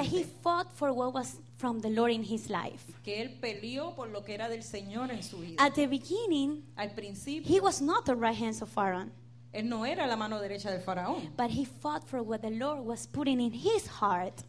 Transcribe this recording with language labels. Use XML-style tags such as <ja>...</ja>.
<en>That he fought for what was from the Lord in his life.</en> <es>Que él peleó por lo que era del Señor en su vida.</es> <en>At the beginning,</en> <es>al principio,</es> <en>he was not the right hand of Aaron.</en> <es>Él no era la mano derecha del faraón.</es> <en>But he fought for what the Lord was putting in his heart.</en>